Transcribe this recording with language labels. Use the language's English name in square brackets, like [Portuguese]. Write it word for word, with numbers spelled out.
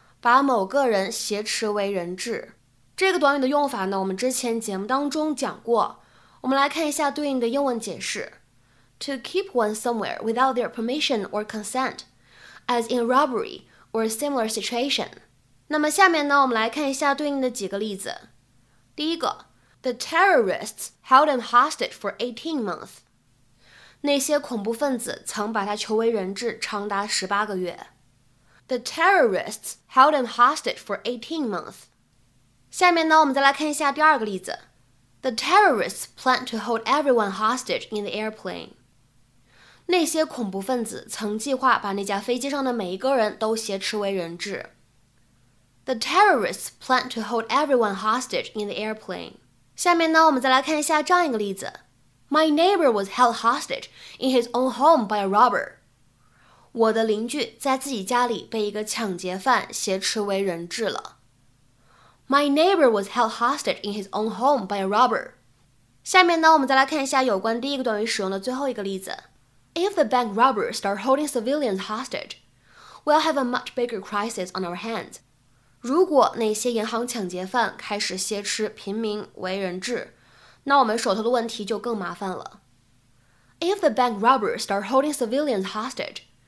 [Chinese] 把某个人挟持为人质。这个短语的用法呢，我们之前节目当中讲过。我们来看一下对应的英文解释 [English] ：To keep one somewhere without their permission or consent, as in robbery or similar situation。 [Chinese] 那么下面呢，我们来看一下对应的几个例子。第一个。 [English] The terrorists held him hostage for eighteen months. [Chinese] 那些恐怖分子曾把他囚为人质长达十八个月。 [English] The terrorists held him hostage for eighteen months. [Chinese] 下面呢，我们再来看一下第二个例子。 [English] The terrorists plan to hold everyone hostage in the airplane. [Chinese] 那些恐怖分子曾计划把那架飞机上的每一个人都挟持为人质。 [English] The terrorists plan to hold everyone hostage in the airplane. [Chinese] 下面呢，我们再来看一下这样一个例子。 [English] My neighbor was held hostage in his own home by a robber. [Chinese] 我的邻居在自己家里被一个抢劫犯挟持为人质了。 [English] My neighbor was held hostage in his own home by a robber. [Chinese] 下面呢，我们再来看一下有关第一个短语使用的最后一个例子。 [English] If the bank robbers start holding civilians hostage, we'll have a much bigger crisis on our hands. [Chinese] 如果那些银行抢劫犯开始挟持平民为人质，那我们手头的问题就更麻烦了。 [English] If the bank robbers start holding civilians hostage,